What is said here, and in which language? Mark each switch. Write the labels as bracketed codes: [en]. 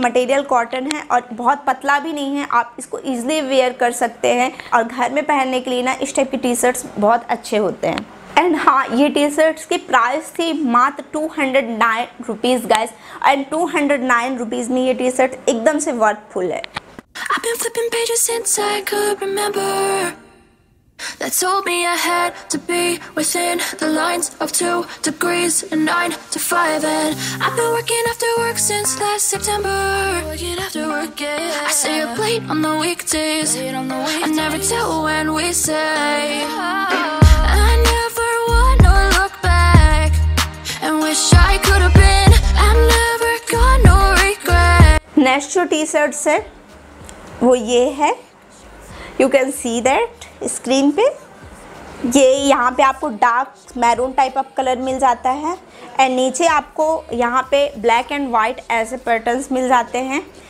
[hi] Material cotton है और बहुत पतला भी नहीं है, आप इसको इजिली वेयर कर सकते हैं और घर में पहनने के लिए ना इस टाइप की टी शर्ट्स बहुत अच्छे होते हैं। एंड हाँ, ये टी शर्ट्स की प्राइस थी मात्र 209 रुपीज़ गाइस, एंड 209 रुपीज़ में ये टी शर्ट एकदम से वर्थफुल है। [en] I've been flipping pages since I could remember. That told me I had to be within the lines of 2 degrees and 9 to 5. And I've been working after work since last September. Working after work, yeah. I stay up late on the weekdays. I never tell when we say. I never want to look back and wish I could have been. I've never got no regret. Next your t-shirt said. [hi] वो ये है, [en] You can see that screen पे। [hi] ये यहाँ पे आपको dark maroon type of colour मिल जाता है एंड नीचे आपको यहाँ पे ब्लैक एंड वाइट ऐसे पैटर्न्स मिल जाते हैं।